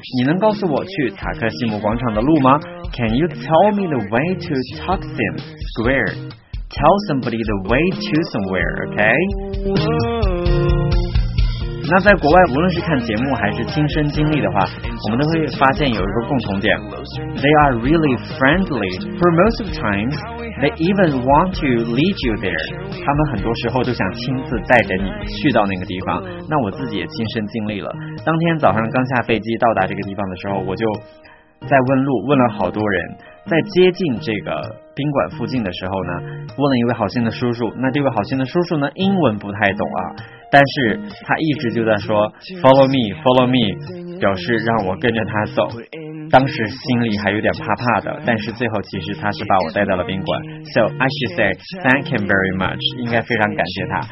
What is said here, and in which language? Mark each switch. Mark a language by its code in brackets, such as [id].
[zh] 你能告诉我去塔克西姆广场的路吗？ [en] Can you tell me the way to Taksim Square? Tell somebody the way to somewhere, okay? [zh] 那在国外，无论是看节目还是亲身经历的话，我们都会发现有一个共同点。 [en] They are really friendly. For most of the time, they even want to lead you there. [zh] 他们很多时候都想亲自带着你去到那个地方。那我自己也亲身经历了。当天早上刚下飞机到达这个地方的时候，我就在问路，问了好多人。在接近这个宾馆附近的时候呢，问了一位好心的叔叔。那这位好心的叔叔呢，英文不太懂啊，但是他一直就在说 [en] follow me, follow me, [zh] 表示让我跟着他走。当时心里还有点怕怕的，但是最后其实他是把我带到了宾馆。 [en] So I should say thank him very much, [zh] 应该非常感谢他。